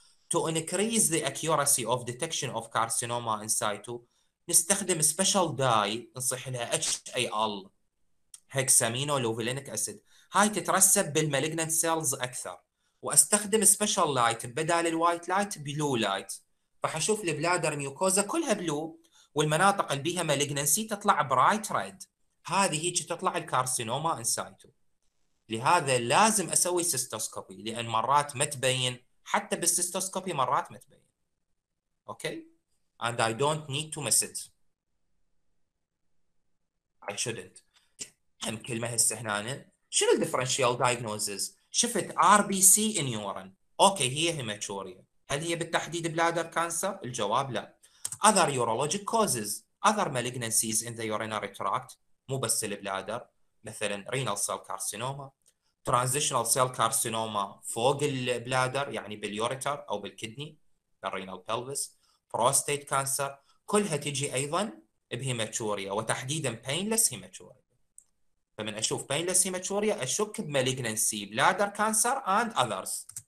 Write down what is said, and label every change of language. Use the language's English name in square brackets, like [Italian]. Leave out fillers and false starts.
[English] to increase the accuracy of detection of carcinoma in situ [Arabic] نستخدم سبيشال داي نصيح لها اتش اي ال هيكسامينو لوفيلينك اسيد، هاي تترسب بالمالجنت سيلز اكثر، واستخدم سبيشال لايت بدال الوايت لايت بلو لايت، فحشوف البلادر ميوكوزا كلها بلو والمناطق اللي بيها مالجنسي تطلع برايت ريد، هذه هيك تطلع الكارسينوما ان سايتو. لهذا لازم اسوي سيستوسكوبي لان مرات ما تبين، حتى بالسيستوسكوبي مرات ما تبين. [English] Okay? And I don't need to miss it. I shouldn't. [Arabic] هم كلمة هسه هنا شنو الديفرنشال دايجنوزز؟ شفت [English] RBC in urine. [Arabic] اوكي هي هيماتوريا. هل هي بالتحديد بلادر كانسر؟ الجواب لا. [English] Other urologic causes. Other malignancies in the urinary tract. [Arabic] مو بس البلادر. [English] مثلا renal cell carcinoma. Transitional cell carcinoma [Arabic] فوق البلادر يعني باليوريتر او بالكدني. [English] The renal pelvis. [Arabic] بروستيت كانسر، كلها تجي ايضا بهيماتوريا وتحديدا بينلس هيماتوريا. فمن اشوف بينلس هيماتوريا اشك بمالجنسي بلادر كانسر اند اذرز.